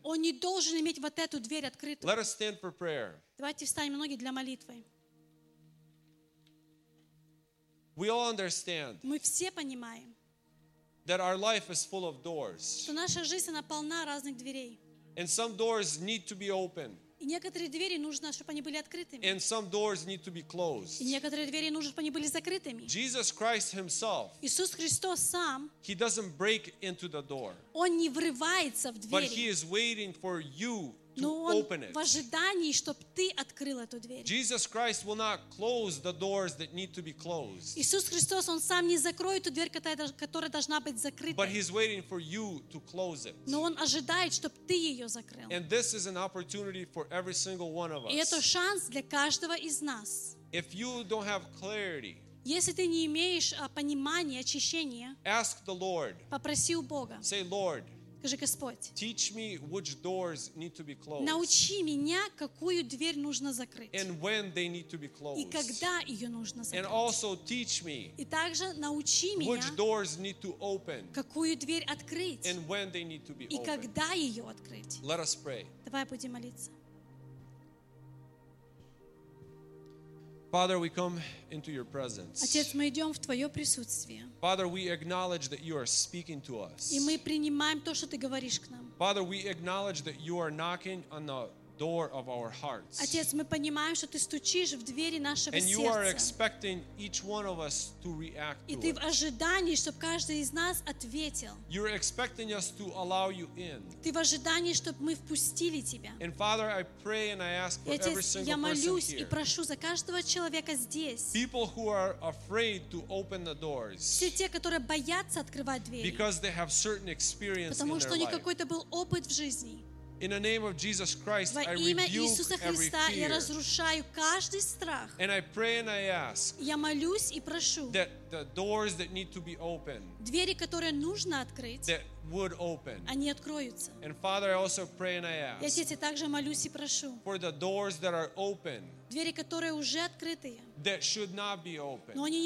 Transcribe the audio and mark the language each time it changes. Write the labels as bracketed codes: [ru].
[ru] Он не должен иметь вот эту дверь открытую. [en] Let us stand for prayer. [ru] Давайте встанем ноги для молитвы. [en] We all understand that our life is full of doors. [ru] Что наша жизнь она полна разных дверей. [en] And some doors need to be open. [ru] И некоторые двери нужно, чтобы они были открытыми. [en] And some doors need to be closed. [ru] И некоторые двери нужно, чтобы они были закрытыми. [en] Jesus Christ himself. [ru] Иисус Христос сам. [en] He doesn't break into the door. [ru] Он не врывается в двери. [en] But he is waiting for you to open it. [ru] Но он в ожидании, чтобы ты открыл эту дверь. [en] Jesus Christ will not close the doors that need to be closed. [ru] Иисус Христос, он сам не закроет ту дверь, которая должна быть закрыта. [en] But he's waiting for you to close it. [ru] Но он ожидает, чтобы ты ее закрыл. [en] And this is an opportunity for every single one of us. [ru] И это шанс для каждого из нас. [en] If you don't have clarity. [ru] Если ты не имеешь понимания, очищения. [en] Ask the Lord. [ru] Попроси у Бога. [en] Say, Lord. [ru] Скажи, Господь, [en] teach me which doors need to be closed. [ru] Научи меня, какую дверь нужно закрыть. [en] And when they need to be closed. [ru] И когда ее нужно закрыть. [en] And also teach me. [ru] И также научи меня, [en] which doors need to open. [ru] Какую дверь открыть. [en] And when they need to be opened. [ru] И когда ее открыть. [en] Let us pray. [ru] Давай будем молиться. [en] Father, we come into your presence. [ru] Отец, мы идем в твое присутствие. [en] Father, we acknowledge that you are speaking to us. [ru] И мы принимаем то, что ты говоришь к нам. [en] Father, we acknowledge that you are knocking on the door of our hearts. [ru] Отец, мы понимаем, что ты стучишь в двери нашего сердца. [en] And you are expecting each one of us to react. [ru] И ты в ожидании, чтобы каждый из нас ответил. [en] You're expecting us to allow you in. [ru] Ты в ожидании, чтобы мы впустили тебя. [en] And Father, I pray and I ask for every single person here. [ru] Я молюсь и прошу за каждого человека здесь. [en] People who are afraid to open the doors. [ru] Все те, которые боятся открывать двери. [en] Because they have certain experience in their life. [ru] Потому что у них какой-то был опыт в жизни. [en] In the name of Jesus Christ, I rebuke every fear. And I pray and I ask that the doors that need to be opened, that would open. And Father, I also pray and I ask for the doors that are open, that should not be open.